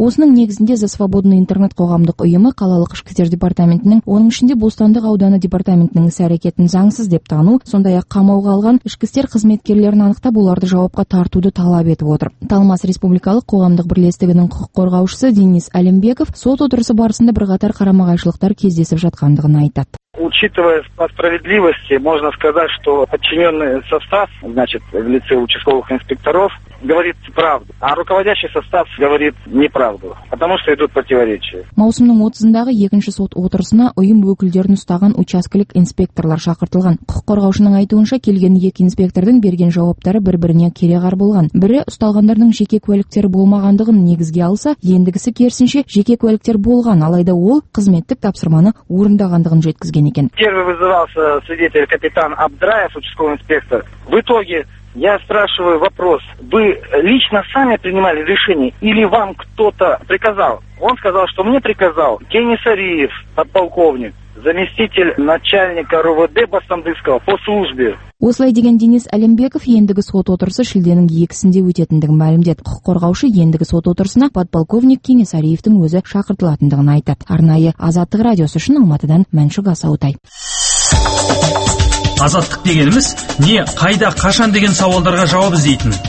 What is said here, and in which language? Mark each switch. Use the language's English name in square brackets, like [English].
[Kazakh] Осының негізінде «За свободный интернет» қоғамдық ұйымы қалалық ішкі істер департаментінің, оның ішінде Бостандық ауданы департаментінің іс-әрекетін заңсыз деп тану, сондай-ақ қамауға алған ішкі істер қызметкерлерін анықтап, оларды жауапқа тартуды талап етіп отыр. Талмас республикалық қоғамдық бірлестігінің құқық қорғаушысы Денис Әлімбеков сот отырысы барысында бірқатар қарама-қайшылықтар кездесіп жатқандығын айтады. [Russian] Учитывая по справедливости, можно сказать, что подчиненный состав, значит, в лице участковых инспекторов, говорит правду, а руководящий состав говорит неправду, потому что идут противоречия. [Kazakh] Маусымның 30-ындағы екінші сот отырысына ұйым өкілдерін ұстаған учаскелік инспекторлар шақыртылған. Құқық қорғаушының айтуынша, келген екі инспектордың берген жауаптары бір-біріне кереғар болған. Бірі ұсталғандардың жеке куәліктері болмағандығын негізге алса, ендігісі керісінше жеке куәліктер болған, алайда ол қызметтік тапсырманы орындағандығын жеткізген. [Russian] Первый вызывался свидетель капитан Абдраев, участковый инспектор. В итоге я спрашиваю вопрос, вы лично сами принимали решение или вам кто-то приказал? Он сказал, что мне приказал Кенис Ариев, подполковник, заместитель начальника РУВД Бостандыкского по службе. [Kazakh] Осылай деген Денис Әлімбеков ендігі сот отырысы шілденің екісінде өтетіндігін мәлімдеді. Құқық қорғаушы ендігі сот отырысына подполковник Кенес Әлиевтің өзі шақыртылатындығын айтады. Арнайы Азаттық радиосы үшін Алматыдан Мәншүк Асаутай. Азаттық дегеніміз не, қайда, қашан деген сауалдарға жауап іздейтін.